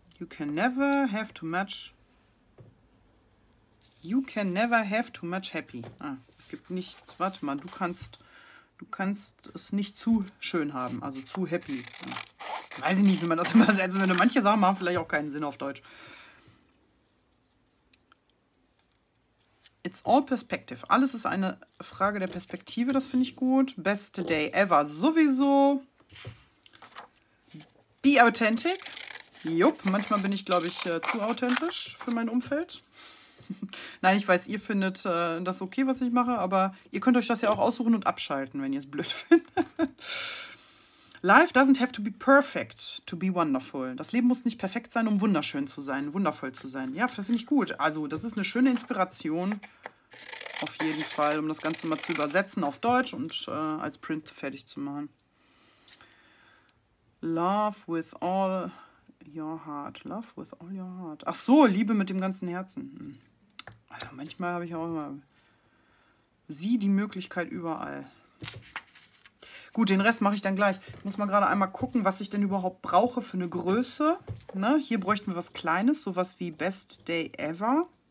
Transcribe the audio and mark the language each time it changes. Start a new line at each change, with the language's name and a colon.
English: You can never have too much. You can never have too much happy.
German: Ah, es gibt nichts. Warte mal, du kannst es nicht zu schön haben, also zu happy. Weiß ich nicht, wie man das übersetzen würde. Manche Sachen machen vielleicht auch keinen Sinn auf Deutsch.
English: It's all perspective.
German: Alles ist eine Frage der Perspektive, das finde ich gut.
English: Best day ever sowieso. Be authentic.
German: Jupp, manchmal bin ich, glaube ich, zu authentisch für mein Umfeld. Nein, ich weiß, ihr findet das okay, was ich mache, aber ihr könnt euch das ja auch aussuchen und abschalten, wenn ihr es blöd findet.
English: Life doesn't have to be perfect to be wonderful.
German: Das Leben muss nicht perfekt sein, um wunderschön zu sein, wundervoll zu sein. Ja, das finde ich gut. Also, das ist eine schöne Inspiration, auf jeden Fall, um das Ganze mal zu übersetzen auf Deutsch und als Print fertig zu machen.
English: Love with all your heart. Love with all your heart.
German: Ach so, Liebe mit dem ganzen Herzen. Also manchmal habe ich auch immer sie die Möglichkeit überall. Gut, den Rest mache ich dann gleich. Ich muss mal gerade einmal gucken, was ich denn überhaupt brauche für eine Größe. Ne? Hier bräuchten wir was Kleines, sowas wie Best Day Ever.